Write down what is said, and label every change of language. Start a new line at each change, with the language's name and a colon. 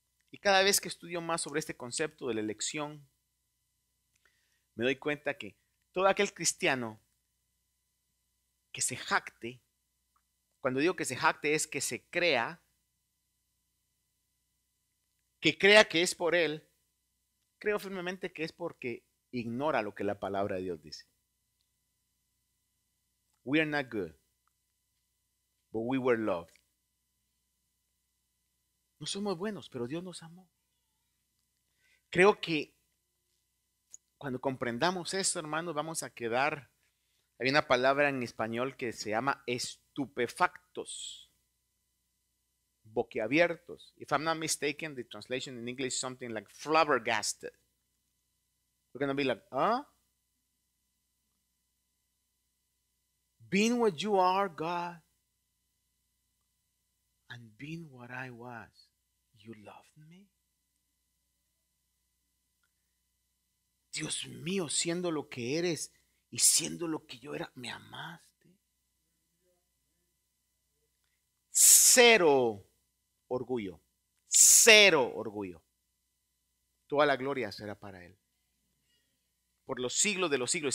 Spanish: Y cada vez que estudio más sobre este concepto de la elección, me doy cuenta que todo aquel cristiano que se jacte, cuando digo que se jacte es que se crea, que crea que es por él, creo firmemente que es porque ignora lo que la palabra de Dios dice.
English: We are not good, but we were loved.
Spanish: No somos buenos, pero Dios nos amó. Creo que cuando comprendamos esto, hermanos, vamos a quedar. Hay una palabra en español que se llama estupefactos, boquiabiertos.
English: If I'm not mistaken, the translation in English is something like flabbergasted. We're going to be like, huh? Being what you are, God, and being what I was, you loved me.
Spanish: Dios mío, siendo lo que eres y siendo lo que yo era, me amaste. Cero orgullo, cero orgullo. Toda la gloria será para Él. Por los siglos de los siglos.